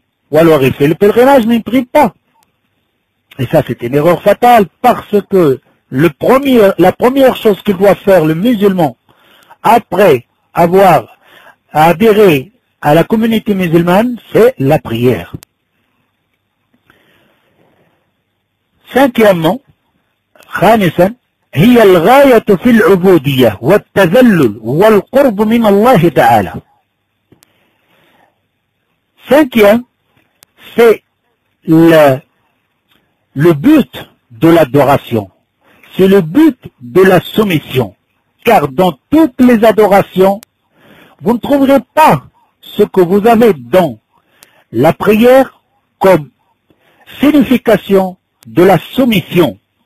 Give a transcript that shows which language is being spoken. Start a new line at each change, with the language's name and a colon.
French: Ou alors ils font le pèlerinage, mais ils ne prient pas. Et ça, c'est une erreur fatale, parce que la première chose qu'il doit faire, le musulman, après avoir adhéré à la communauté musulmane, c'est la prière. Cinquièmement,
Arabic: خامسا هي الغاية في العبودية والتذلل والقرب من الله تعالى.
French: Cinquième, c'est le but de l'adoration. C'est le but de la soumission. Car dans toutes les adorations, vous ne trouverez pas ce que vous avez dans la prière comme signification de la soumission.